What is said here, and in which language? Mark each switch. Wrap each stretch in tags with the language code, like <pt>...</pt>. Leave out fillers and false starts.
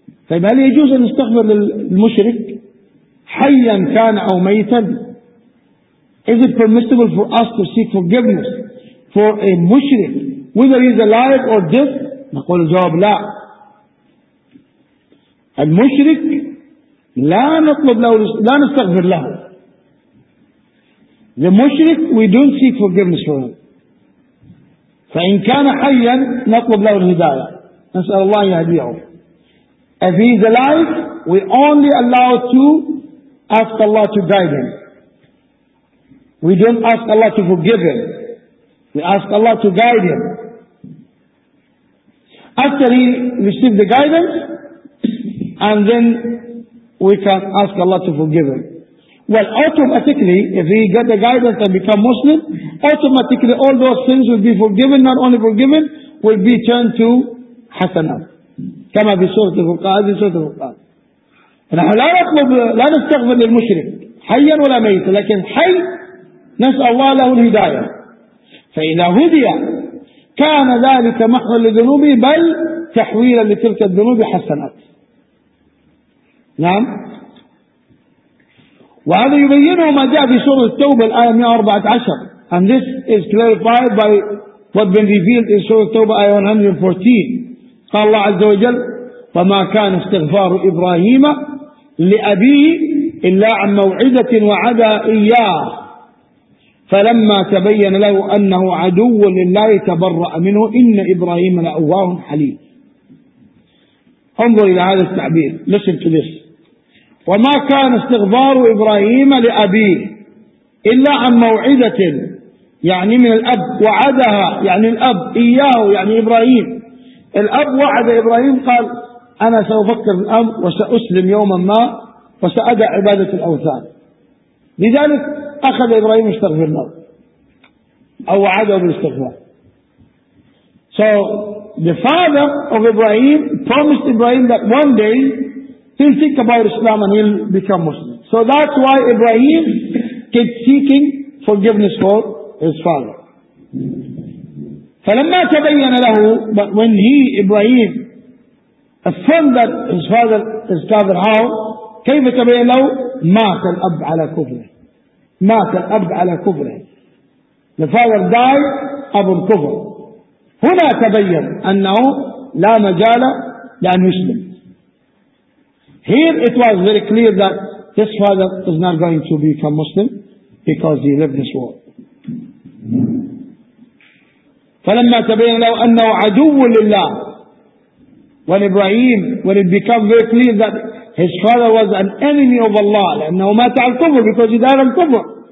<ar>طيب هل يجوز أن استغفر للمشرك حيا كان أو ميتا؟</ar> <en>Is it permissible for us to seek forgiveness for a mushrik whether he is alive or dead?</en> <ar>نقول الجواب لا. المشرك لا نطلب له، لا نستغفر له،</ar> <en>The mushrik, we don't seek forgiveness for him.</en> <ar>فَإِنْ كَانَ حَيًّا نَطْلُبْ لَهُ الْهِدَايَةِ نَسْأَلَ اللَّهِ يَهْدِيَهُ.</ar> <en>If he is alive, we only allow to ask Allah to guide him. We don't ask Allah to forgive him. We ask Allah to guide him. After he received the guidance, and then we can ask Allah to forgive him. Well, automatically, if he get the guidance and become Muslim, automatically all those sins will be forgiven, not only forgiven, will be turned to hasanah.</en> <ar>كما في سورة الفرقان هذه سورة الفرقان. نحن لا نطلب لا نستغفر للمشرك حيا ولا ميتا، لكن حي نسأل الله له الهداية. فإذا هدي كان ذلك محضا للذنوب بل تحويلا لتلك الذنوب حسنات. نعم. وهذا يبينه ما جاء في سورة التوبة الآية 114.</ar> <en>And this is clarified by what been revealed in سورة التوبة آية 114.</en> <ar>قال الله عز وجل فما كان استغفار إبراهيم لأبيه إلا عن موعدة وعدا إياه فلما تبين له أنه عدو لله تبرأ منه إن إبراهيم لأواه حليم. انظر إلى هذا التعبير.</ar> <en>Listen to this.</en> <ar>وما كان استغفار إبراهيم لأبيه إلا عن موعدة يعني من الأب وعدها يعني الأب إياه يعني إبراهيم. الأب وعد إبراهيم قال أنا سأفكر الأمر وسأسلم يوما ما وسأدع عبادة الأوثان. لذلك أخذ إبراهيم استغفر الله أو وعده بالاستغفار.</ar> <en>So the father of Ibrahim promised Ibrahim that one day he'll think about Islam and he'll become Muslim. So that's why Ibrahim kept seeking forgiveness for his father.</en> <ar>فلما تبين له,</ar> <en>but when he, Ibrahim, affirmed that his father is Kafir, how?</en> <ar>كيف تبين له? مات الأب على كفره. مات الأب على كفره.</ar> <en>The father died</en> <ar>أب الكفر. هنا تبين أنه لا مجال لأن يسلم.</ar> <en>Here it was very clear that this father is not going to become Muslim because he lived this world.</en> <ar>فلما تبين له أنه عدو لله.</ar> <en>When Ibrahim, when it became very clear that his father was an enemy of Allah,</en> <ar>لأنه مات على الكفر,</ar> <en>because he died on الكفر.</en>